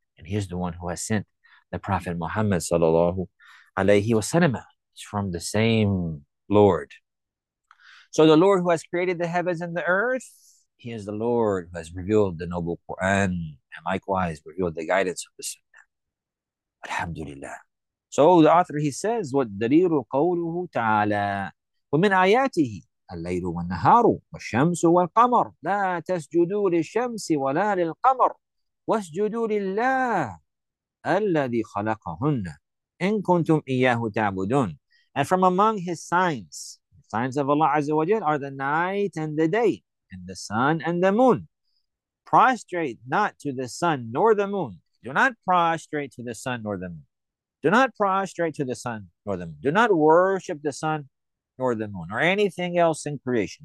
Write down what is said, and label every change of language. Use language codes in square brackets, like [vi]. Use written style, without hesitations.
[en] And he's the one who has sent the Prophet Muhammad sallallahu alayhi wasallam. It's from the same Lord. So the Lord who has created the heavens and the earth, he is the Lord who has revealed the noble Quran and likewise revealed the guidance of the Sunnah. Alhamdulillah. So the author, he says, [ar] وَالدَّلِيلُ قَوْلُهُ تَعَالَىٰ وَمِنْ آيَاتِهِ اللَّيْلُ وَالنَّهَارُ وَالشَّمْسُ وَالْقَمَرُ لَا تَسْجُدُوا لِلشَّمْسِ وَلَا لِلْقَمَرُ وَاسْجُدُوا لِلَّهِ الَّذِي خَلَقَهُنَّ إِن كُنْتُمْ إِيَّاهُ تَعْبُدُونَ. [en] And from among his signs, the signs of Allah Azza wa Jal, are the night and the day, and the sun and the moon. Prostrate not to the sun nor the moon. Do not prostrate to the sun nor the moon. Do not prostrate to the sun nor the moon. Do not worship the sun nor the moon or anything else in creation.